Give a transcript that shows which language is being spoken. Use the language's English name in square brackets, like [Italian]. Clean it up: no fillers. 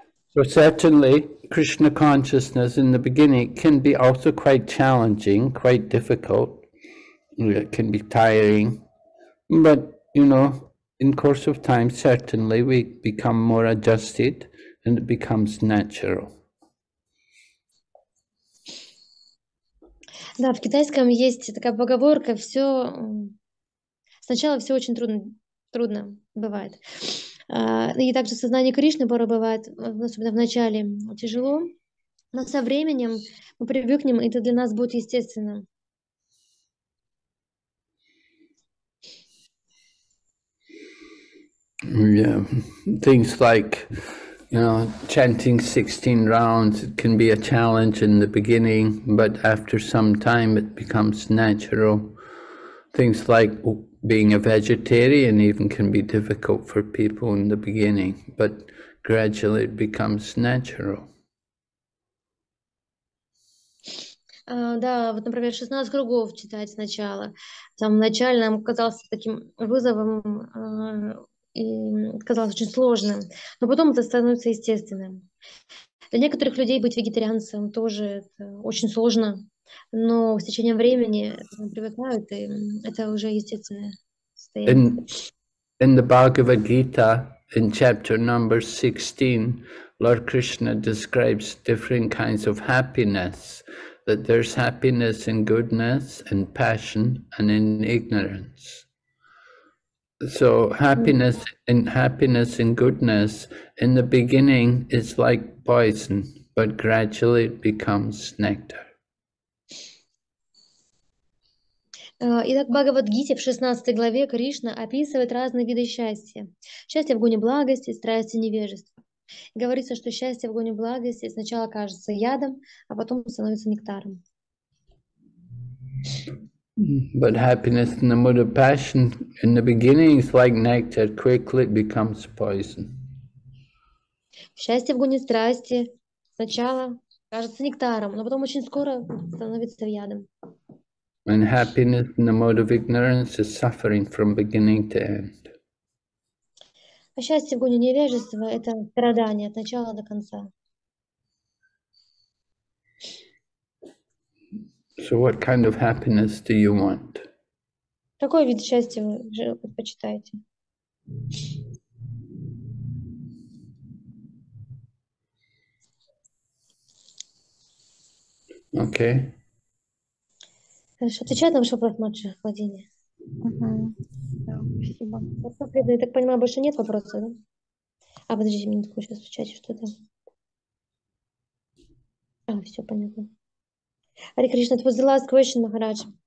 [English] So certainly, Krishna consciousness in the beginning can be also quite challenging, quite difficult. It can be tiring, but, you know, in course of time, certainly we become more adjusted and it becomes natural. [Russian] Да, в китайском есть такая поговорка, все сначала все очень трудно бывает. И также сознание Кришны порой бывает, особенно в начале, тяжело, но со временем мы привыкнем, и это для нас будет естественно. [English] Yeah, things like, you know, chanting 16 rounds, it can be a challenge in the beginning, but after some time it becomes natural. Things like being a vegetarian even can be difficult for people in the beginning, but gradually it becomes natural. [Russian] Да, вот, например, 16 кругов читать сначала. Там вначале нам казалось таким вызовом, и казалось очень сложным, но потом это становится естественным. Для некоторых людей быть вегетарианцем тоже очень сложно, но с течением времени привыкают, и это уже естественное состояние. [English] In the Bhagavad Gita, in chapter number 16, Lord Krishna describes different kinds of happiness, that there's happiness in goodness, in passion, and in ignorance. So happiness and goodness in the beginning is like poison, but gradually it becomes nectar. [Russian] Итак, Бхагавад-гите в 16 главе Кришна описывает разные виды счастья. Счастье в гуне благости, страсти, невежества. Говорится, что счастье в гуне благости сначала кажется ядом, а потом становится нектаром. [English] But happiness in the mood of passion in the beginning is like nectar, quickly becomes poison. [Russian] Счастье в гуне страсти сначала кажется нектаром, но потом очень скоро становится ядом. [English] And happiness in the mood of ignorance is suffering from beginning to end. [Russian] А счастье в гуне невежества — это страдание от начала до конца. [English] So what kind of happiness do you want? [Russian] Какой вид счастья вы предпочитаете? [English] Okay. [Russian] Хорошо. Отвечает на ваш вопрос, младший Владимир. Uh-huh. Да, спасибо. Я так понимаю, больше нет вопросов, да? А, подождите, мне такое сейчас в чате что-то. А, все понятно. [English] Hare Krishna, it was the last question, Maharaj.